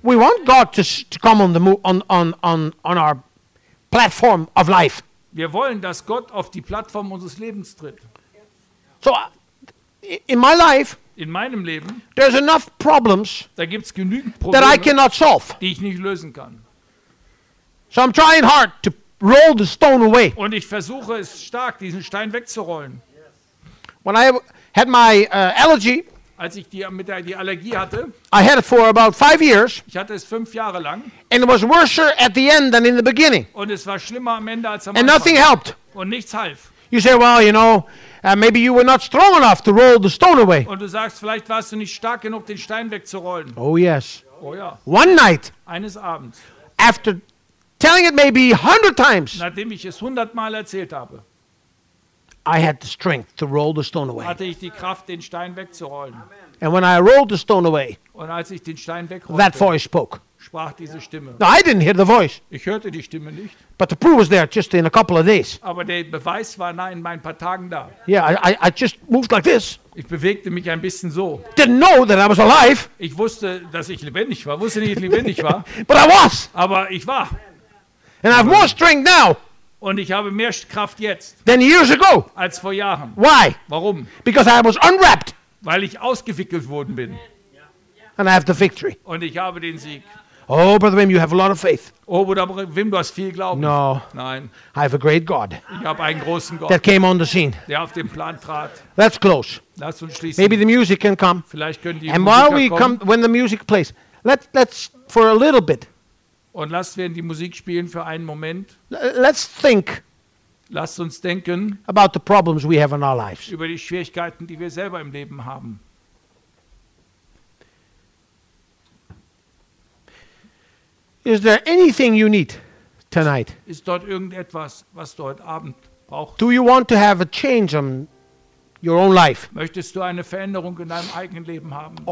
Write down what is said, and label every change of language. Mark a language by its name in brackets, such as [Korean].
[English] We want God to come on our platform of life. [German] Wir wollen, dass Gott auf die Plattform unseres Lebens tritt. [English] So, in my life. [German] In meinem Leben, [English] there's enough problems, [German] da gibt's genügend Probleme, [English] that I cannot solve, [German] die ich nicht lösen kann. [English] So I'm trying hard to roll the stone away. [German] Und ich versuche es stark, diesen Stein wegzurollen. [English] When I had my allergy, [German] als ich die Allergie hatte, [English] I had it for about 5 years. [German] Ich hatte es 5 Jahre lang. [English] And it was worse at the end than in the beginning. [German] Und es war schlimmer am Ende als am [English] Anfang. And nothing helped. [German] Und nichts half. [English] You say, well, you know, maybe you were not strong enough to roll the stone away. [German] Und du sagst, vielleicht warst du nicht stark genug, den Stein wegzurollen. [English] Oh yes. [German] Oh ja. [English] One night. [German] Eines Abends. [English] After telling it maybe 100 times. [German] Nachdem ich es 100 Mal erzählt habe. [English] I had the strength to roll the stone away. [German] Hatte ich die Kraft, den Stein wegzurollen. [English] And when I rolled the stone away. [German] Und als ich den Stein wegrollte. [English] That voice spoke. [German] Sprach diese Stimme. [English] No, I didn't hear the voice. [German] Ich hörte die Stimme nicht. [English] But the proof was there just in a couple of days. [German] Aber der Beweis war in ein paar Tagen da. [English] Yeah, I just moved like this. [German] Ich bewegte mich ein bisschen so. [English] Didn't know that I was alive. [German] Ich wusste, dass ich lebendig war. Wusste nicht, dass ich lebendig war. [English] But I was. [German] Aber ich war. [English] And I have more strength now. [German] Und ich habe mehr Kraft jetzt. [English] Than years ago. [German] Als vor Jahren. [English] Why? [German] Warum? [English] Because I was unwrapped. [German] Weil ich ausgewickelt worden bin. [English] And I have the victory. [German] Und ich habe den Sieg. [English] Oh, Brother Wim, you have a lot of faith. [German] Oh, Brother Wim, du hast viel Glauben. [English] No. [German] Nein. [English] I have a great God. [German] Ich habe einen großen Gott. [English] That came on the scene. [German] Der auf den Plan trat. [English] Let's close. [German] Lass uns schließen. [English] Maybe the music can come. [German] Vielleicht können die and Musiker while we kommen. [English] Come, when the music plays, let's for a little bit. [German] Und lasst werden die Musik spielen für einen Moment. [English] Let's think. [German] Lasst uns denken. [English] About the problems we have in our lives. [German] Über die Schwierigkeiten, die wir selber im Leben haben. [English] Is there anything you need tonight? [German] Ist dort irgendetwas, was du heute Abend brauchst? [English] Do you want to have a change in your own life? [German] Möchtest du eine Veränderung in deinem eigenen Leben haben?